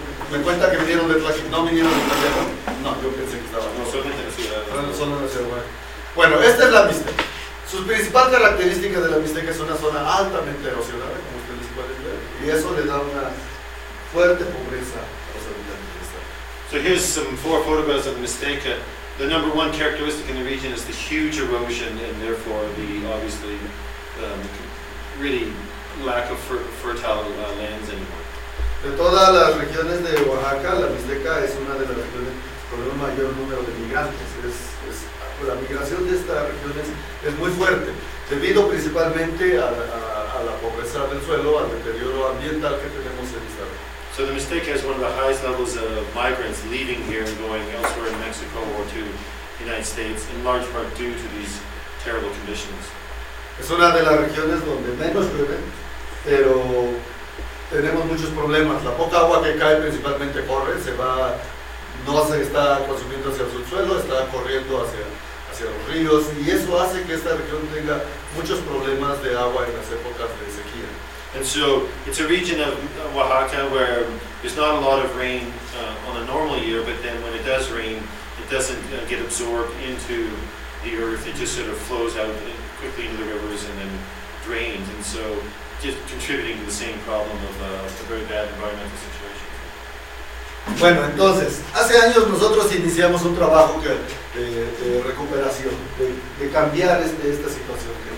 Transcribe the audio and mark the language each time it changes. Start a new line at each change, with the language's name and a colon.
Spanish: Me cuenta que vinieron de Tlaxcala. No vinieron de Tlaxcala. No, yo pensé que estaban. No, solamente en la ciudad. No, solo en la ciudad. Bueno, esta es la Mixteca. Su principal característica de la Mixteca es una zona altamente erosionada, como ustedes pueden ver. Y eso le da una fuerte pobreza a los habitantes de esta.
English: So here's some 4 photographs of the Mixteca. The number one characteristic in the region is the huge erosion, and therefore the obviously. Really lack of fertile lands anymore.
Spanish: De todas las regiones de Oaxaca, la Mixteca es una de las regiones con un mayor número de migrantes. Es la migración de estas regiones es muy fuerte, debido principalmente a la pobreza del suelo, al deterioro ambiental que tenemos en esta región.
English: So the Mixteca has one of the highest levels of migrants leaving here and going elsewhere in Mexico or to the United States, in large part due to these terrible conditions.
Spanish: Es una de las regiones donde menos llueve, pero tenemos muchos problemas. La poca agua que cae principalmente corre, se va, no se está consumiendo hacia el subsuelo, está corriendo hacia los ríos, y eso hace que esta región tenga muchos problemas de agua en las épocas de sequía.
English: And so it's a region of Oaxaca where there's not a lot of rain on a normal year, but then when it does rain, it doesn't get absorbed into the earth. It just sort of flows out quickly into the rivers and then drains. And so just contributing to the same problem of a very bad environmental situation.
Spanish: Bueno, entonces, hace años nosotros iniciamos un trabajo que, de recuperación, de cambiar esta situación.